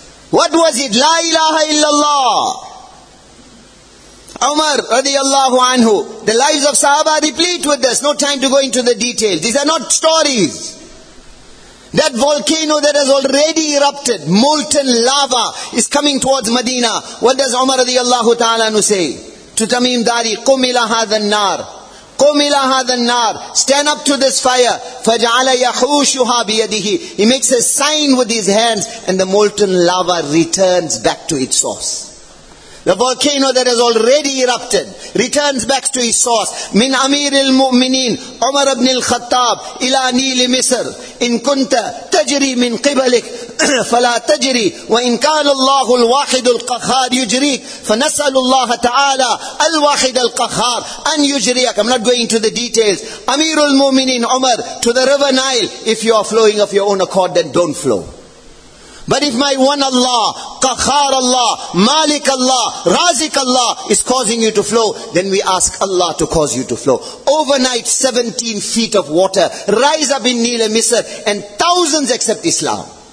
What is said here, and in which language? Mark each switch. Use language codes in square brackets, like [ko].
[en] What was it? La ilaha illallah. Umar radiallahu anhu. The lives of Sahaba are replete with this. No time to go into the details. These are not stories. That volcano that has already erupted, molten lava, is coming towards Medina. What does Umar radiallahu ta'ala anhu say? [ar] To Tamim Dari, قُمْ إِلَى هَذَا النَّارِ قُمْ إِلَى هَذَا النَّارِ. [en] Stand up to this fire. [ar] فَجْعَلَ يَحُوشُهَا بِيَدِهِ. [en] He makes a sign with his hands and the molten lava returns back to its source. The volcano that has already erupted returns back to its source. [ar] مِنْ أَمِيرِ الْمُؤْمِنِينَ عُمَرْ بْنِ الْخَطَّابِ إِلَى نِيلِ مِصْرِ إِن كُنْتَ تَجْرِي مِنْ قِبَلِكَ فَلَا تَجْرِي وَإِنْ كَانَ اللَّهُ الْوَاحِدُ الْقَهَّارُ يُجْرِيكَ فَنَسْأَلُ اللَّهَ تَعَالَى الْوَاحِدَ الْقَهَّارَ أَنْ يُجْرِيَكَ. [en] I'm not going into the details. Amirul Mu'minin Umar, to the river Nile, if you are flowing of your own accord, then don't flow. But if my one Allah, Qahhar Allah, Malik Allah, Razik Allah is causing you to flow, then we ask Allah to cause you to flow. Overnight, 17 feet of water rise up in Nile Misr and thousands accept Islam.